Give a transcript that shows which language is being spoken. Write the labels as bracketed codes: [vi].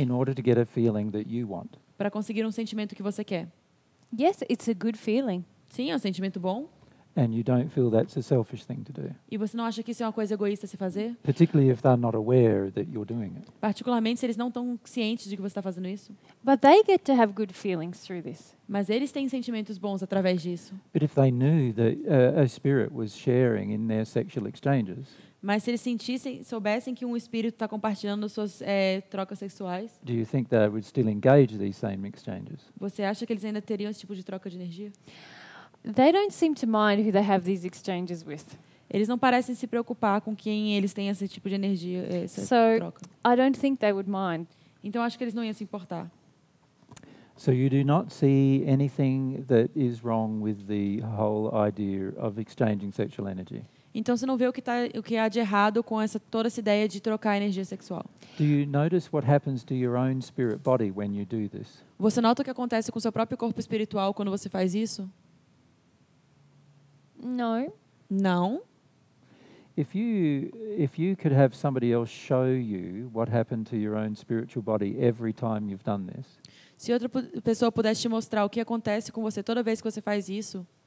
[en] In order to get a feeling that you want. [pt] Para conseguir sentimento que você quer. [en] Yes, it's a good feeling. [pt] Sim, sentimento bom. [en] And you don't feel that's a selfish thing to do. [pt] E você não acha que isso uma coisa egoísta se fazer? [en] Particularly if they're not aware that you're doing it. [pt] Particularmente se eles não estão cientes de que você está fazendo isso. [en] But they get to have good feelings through this. [pt] Mas eles têm sentimentos bons através disso. [en] But if they knew that a spirit was sharing in their sexual exchanges. [pt] Mas se eles soubessem que espírito está compartilhando suas trocas sexuais. [en] Do you think they would still engage these same exchanges? [pt] Você acha que eles ainda teriam esse tipo de troca de energia? [en] They don't seem to mind who they have these exchanges with. [pt] Eles não parecem se preocupar com quem eles têm esse tipo de energia, essa so, troca. [en] So, I don't think they would mind. [pt] Então acho que eles não iam se importar. [en] So you do not see anything that is wrong with the whole idea of exchanging sexual energy. [pt] Então você não vê o que há de errado com essa toda essa ideia de trocar energia sexual. [en] Do you notice what happens to your own spirit body when you do this? [pt] Você nota o que acontece com seu próprio corpo espiritual quando você faz isso? [en] No. No. If you could have somebody else show you what happened to your own spiritual body every time you've done this. [pt] Se outra pessoa pudesse te mostrar o que acontece com você toda vez que você faz isso.